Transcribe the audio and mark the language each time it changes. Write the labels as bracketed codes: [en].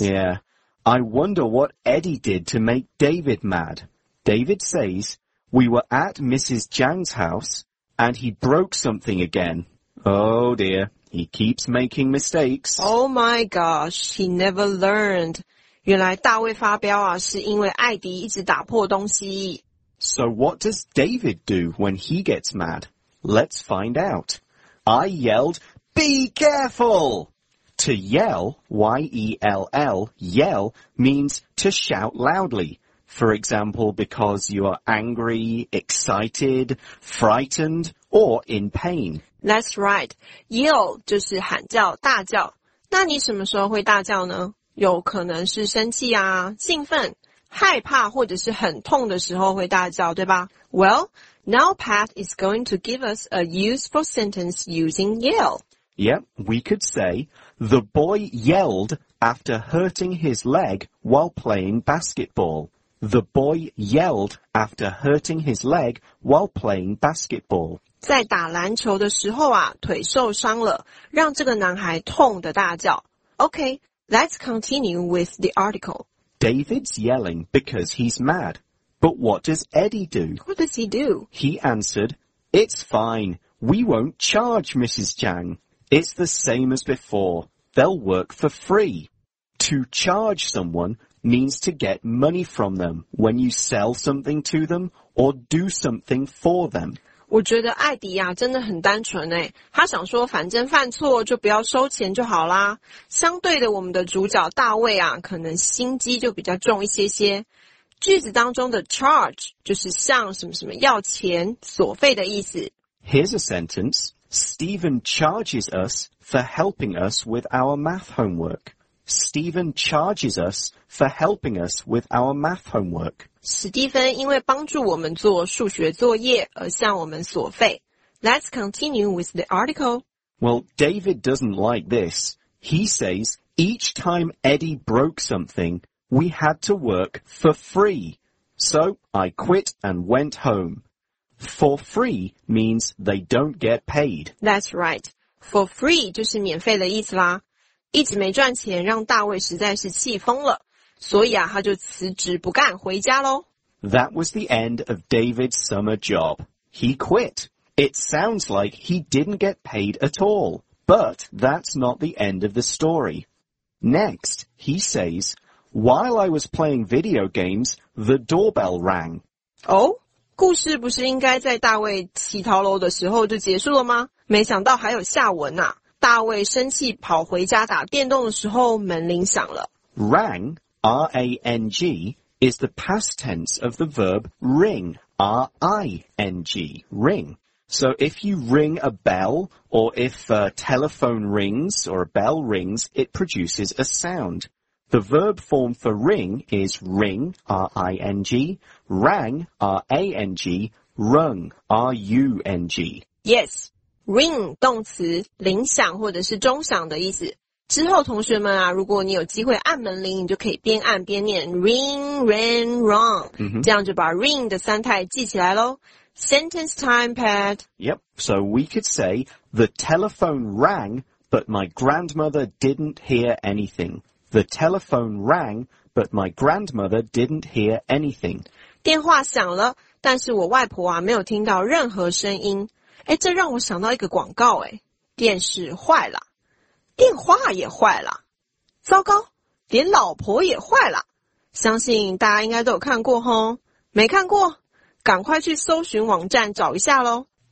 [en] Yeah. I wonder what Eddie did to make David mad. David says, We were at Mrs. Jiang's house, and he broke something again. Oh, dear. He keeps making mistakes. Oh, my gosh. He never learned. [zh] 原来大卫发飙啊，是因为艾迪一直打破东西。 [en] So what does David do when he gets mad? Let's find out. I yelled, be careful! To yell, Y-E-L-L, yell, means to shout loudly. For example, because you are angry, excited, frightened, or in pain. That's right. [zh] Yell 就是喊叫、大叫。那你什么时候会大叫呢？有可能是生气啊、兴奋、害怕或者是很痛的时候会大叫，对吧？ [en] Well, now Pat is going to give us a useful sentence using yell. Yep, we could say, the boy yelled after hurting his leg while playing basketball. The boy yelled after hurting his leg while playing basketball. [zh] 在打篮球的时候啊，腿受伤了，让这个男孩痛得大叫。 [en] Okay. Let's continue with the article. David's yelling because he's mad. But what does Eddie do? What does he do? He answered, It's fine. We won't charge Mrs. Jiang. It's the same as before. They'll work for free. To charge someone means to get money from them when you sell something to them or do something for them. [zh] 我觉得艾迪啊真的很单纯诶，他想说反正犯错就不要收钱就好啦。相对的，我们的主角大卫啊可能心机就比较重一些些。句子当中的 charge 就是向什么什么要钱索费的意思。 [en] Here's a sentence. Stephen charges us for helping us with our math homework. Stephen charges us for helping us with our math homework. [zh] 史蒂芬因为帮助我们做数学作业而向我们索费。 [en] Let's continue with the article. Well, David doesn't like this. He says, each time Eddie broke something, we had to work for free. So, I quit and went home. For free means they don't get paid. That's right. [zh] For free 就是免费的意思啦。一直没赚钱让大卫实在是气疯了。所以啊他就辞职不干回家咯。 [en] That was the end of David's summer job. He quit. It sounds like he didn't get paid at all. But that's not the end of the story. Next, he says, While I was playing video games, the doorbell rang. Oh? [zh] 故事不是应该在大卫起逃楼的时候就结束了吗？没想到还有下文啊。大卫生气跑回家打电动的时候门铃响了。 [en] Rang? R-A-N-G is the past tense of the verb ring, R-I-N-G, ring. So if you ring a bell, or if a telephone rings, or a bell rings, it produces a sound. The verb form for ring is ring, R-I-N-G, rang, R-A-N-G, rung, R-U-N-G. [zh] Yes, ring, 动词,铃响或者是钟响的意思。之后同学们啊，如果你有机会按门铃，你就可以边按边念 [en] ring, ran, wrong、 mm-hmm. [zh] 这样就把 ring 的三态记起来咯。 [en] Sentence time, Pat. Yep, so we could say, the telephone rang, but my grandmother didn't hear anything. The telephone rang, but my grandmother didn't hear anything. [zh] 电话响了，但是我外婆啊没有听到任何声音。诶，这让我想到一个广告诶，电视坏了。电话也坏了，糟糕，连老婆也坏了。相信大家应该都有看过齁，没看过，赶快去搜寻网站找一下咯。